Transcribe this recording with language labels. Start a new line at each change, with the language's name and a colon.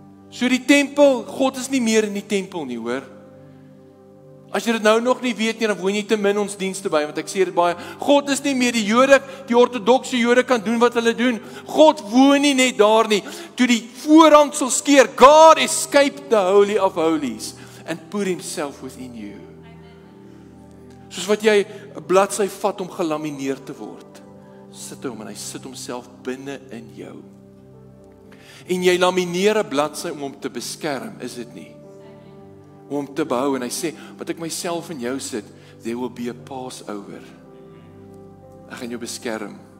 Afrikaans: So die tempel, God is nie meer in die tempel nie, hoor. As jy dit nou nog nie weet nie, dan woon jy te min ons dienste by, want ek sê dit baie, God is nie meer die Jode, die orthodoxe Jode kan doen wat hulle doen. God woon nie net daar nie. Toe die voorhang sal skeer,
English: God escaped the Holy of Holies and put himself within you.
Afrikaans: Soos wat jy 'n bladsy vat om gelamineer te word. Sit hom en hy sit homself binne in jou. En jy lamineer 'n bladsy om hom te beskerm, is dit nie? Om hom te behou en hy sê, wat ek myself in jou sit,
English: there will be a Passover.
Afrikaans: Ek gaan jou beskerm.